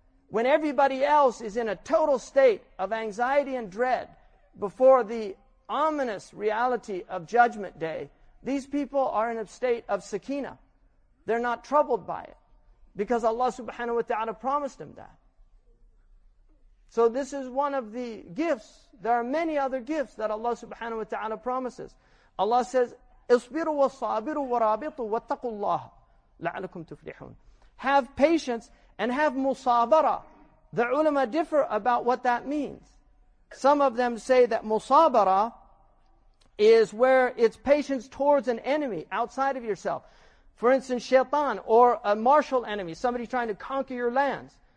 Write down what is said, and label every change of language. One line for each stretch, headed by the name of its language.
English: When everybody else is in a total state of anxiety and dread before the ominous reality of judgment day, these people are in a state of sakina. They're not troubled by it because Allah subhanahu wa ta'ala promised them that. So this is one of the gifts. There are many other gifts that Allah subhanahu wa ta'ala promises. Allah says,
Arabic: اصبروا وصابروا ورابطوا واتقوا الله لعلكم تفلحون.
English: Have patience and have musabara. The ulama differ about what that means. Some of them say that musabara is where it's patience towards an enemy outside of yourself. For instance, shaitan or a martial enemy, somebody trying to conquer your lands.